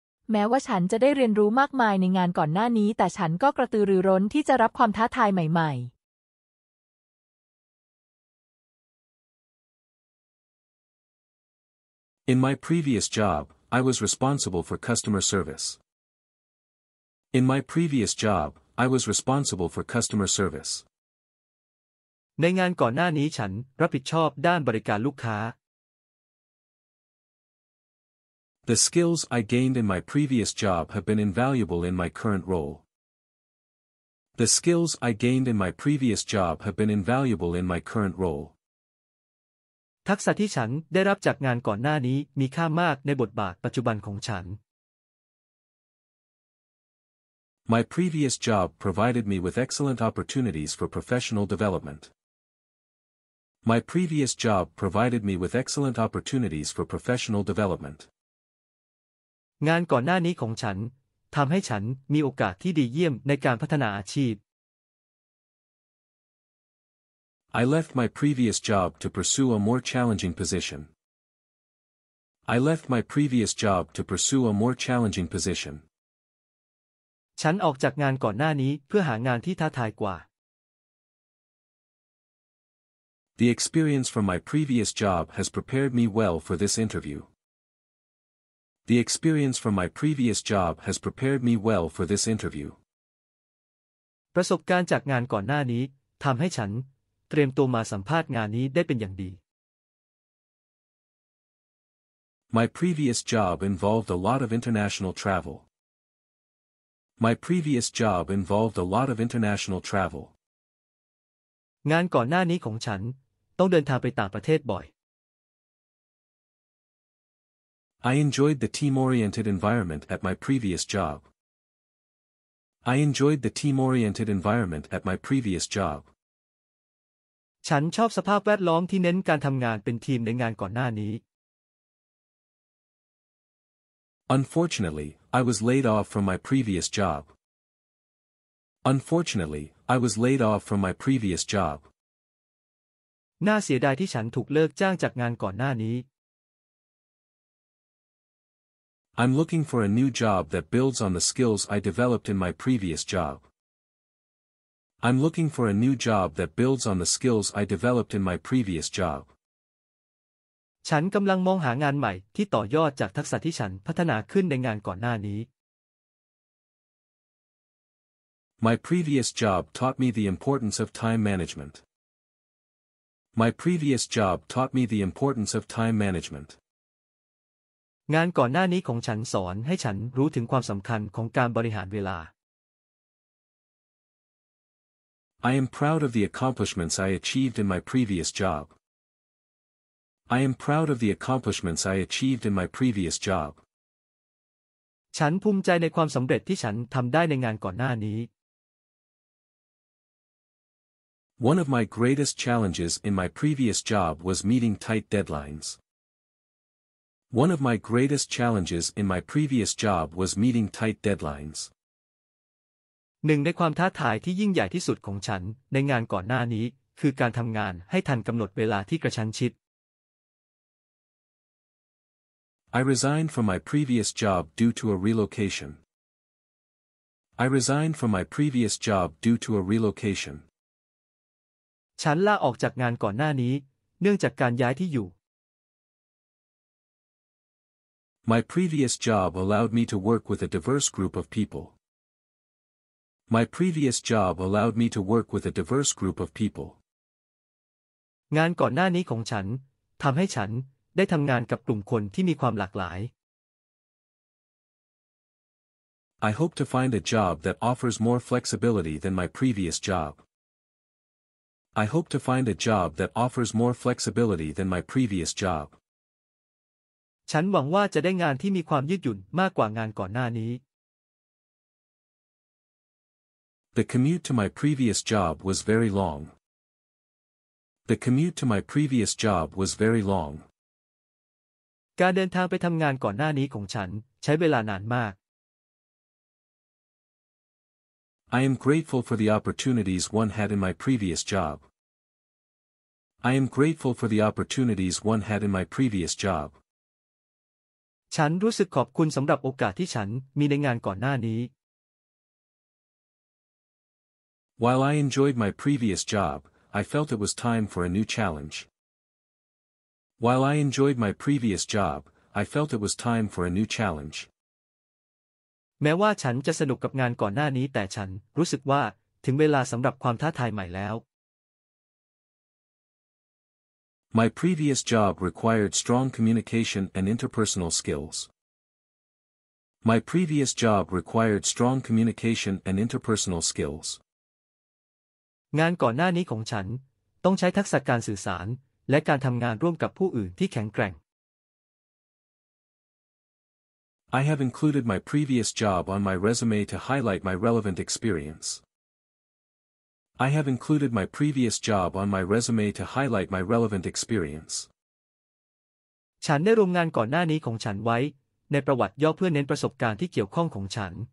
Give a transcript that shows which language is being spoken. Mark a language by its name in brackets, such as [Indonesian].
[Thai] แม้ว่าฉันจะได้เรียนรู้มากมายในงานก่อนหน้านี้แต่ฉันก็กระตือรือร้นที่จะรับความท้าทายใหม่ๆ [English] In my previous job, I was responsible for customer service. In my previous job, I was responsible for customer service. [Thai] ในงานก่อนหน้านี้ฉันรับผิดชอบด้านบริการลูกค้า [English] The skills I gained in my previous job have been invaluable in my current role. The skills I gained in my previous job have been invaluable in my current role. [Thai] ทักษะที่ฉันได้รับจากงานก่อนหน้านี้มีค่ามากในบทบาทปัจจุบันของฉัน [English] My previous job provided me with excellent opportunities for professional development. My previous job provided me with excellent opportunities for professional development. [Thai] งานก่อนหน้านี้ของฉันทำให้ฉันมีโอกาสที่ดีเยี่ยมในการพัฒนาอาชีพ [English] I left my previous job to pursue a more challenging position. I left my previous job to pursue a more challenging position. [Thai] ฉันออกจากงานก่อนหน้านี้เพื่อหางานที่ท้าทายกว่า [English] The experience from my previous job has prepared me well for this interview. The experience from my previous job has prepared me well for this interview. [Thai] ประสบการณ์จากงานก่อนหน้านี้ทำให้ฉันเตรียมตัวมาสัมภาษณ์งานนี้ได้เป็นอย่างดี [English] My previous job involved a lot of international travel. My previous job involved a lot of international travel. [Thai] งานก่อนหน้านี้ของฉันต้องเดินทางไปต่างประเทศบ่อย [English] I enjoyed the team-oriented environment at my previous job. I enjoyed the team-oriented environment at my previous job. [Thai] ฉันชอบสภาพแวดล้อมที่เน้นการทำงานเป็นทีมในงานก่อนหน้านี้ [English] Unfortunately, I was laid off from my previous job. Unfortunately, I was laid off from my previous job. [Thai] น่าเสียดายที่ฉันถูกเลิกจ้างจากงานก่อนหน้านี้ [English] I'm looking for a new job that builds on the skills I developed in my previous job. I'm looking for a new job that builds on the skills I developed in my previous job. [Thai] ฉันกำลังมองหางานใหม่ที่ต่อยอดจากทักษะที่ฉันพัฒนาขึ้นในงานก่อนหน้านี้ [English] My previous job taught me the importance of time management. My previous job taught me the importance of time management. [Thai] งานก่อนหน้านี้ของฉันสอนให้ฉันรู้ถึงความสำคัญของการบริหารเวลา [English] I am proud of the accomplishments I achieved in my previous job. I am proud of the accomplishments I achieved in my previous job. [Thai] ฉันภูมิใจในความสำเร็จที่ฉันทำได้ในงานก่อนหน้านี้ [English] One of my greatest challenges in my previous job was meeting tight deadlines. One of my greatest challenges in my previous job was meeting tight deadlines. [Thai] หนึ่งในความท้าทายที่ยิ่งใหญ่ที่สุดของฉันในงานก่อนหน้านี้คือการทำงานให้ทันกำหนดเวลาที่กระชั้นชิด [English] I resigned from my previous job due to a relocation. I resigned from my previous job due to a relocation. [Thai] ฉันลาออกจากงานก่อนหน้านี้เนื่องจากการย้ายที่อยู่ [English] My previous job allowed me to work with a diverse group of people. My previous job allowed me to work with a diverse group of people. [Thai] งานก่อนหน้านี้ของฉันทำให้ฉันได้ทำงานกับกลุ่มคนที่มีความหลากหลาย [English] I hope to find a job that offers more flexibility than my previous job. I hope to find a job that offers more flexibility than my previous job. [Thai] ฉันหวังว่าจะได้งานที่มีความยืดหยุ่นมากกว่างานก่อนหน้านี้ [English] The commute to my previous job was very long. The commute to my previous job was very long. [Thai] การเดินทางไปทำงานก่อนหน้านี้ของฉันใช้เวลานานมาก [English] I am grateful for the opportunities one had in my previous job. I am grateful for the opportunities one had in my previous job. [Thai] ฉันรู้สึกขอบคุณสำหรับโอกาสที่ฉันมีในงานก่อนหน้านี้ [English] While I enjoyed my previous job, I felt it was time for a new challenge. While I enjoyed my previous job, I felt it was time for a new challenge. [Thai] แม้ว่าฉันจะสนุกกับงานก่อนหน้านี้แต่ฉันรู้สึกว่าถึงเวลาสำหรับความท้าทายใหม่แล้ว [English] My previous job required strong communication and interpersonal skills. My previous job required strong communication and interpersonal skills. [Thai] งานก่อนหน้านี้ของฉันต้องใช้ทักษะการสื่อสารและการทำงานร่วมกับผู้อื่นที่แข็งแกร่ง [English] I have included my previous job on my resume to highlight my relevant experience. I have included my previous job on my resume to highlight my relevant experience. [Thai] ฉันได้รวมงานก่อนหน้านี้ของฉันไว้ในประวัติย่อเพื่อเน้นประสบการณ์ที่เกี่ยวข้องของฉัน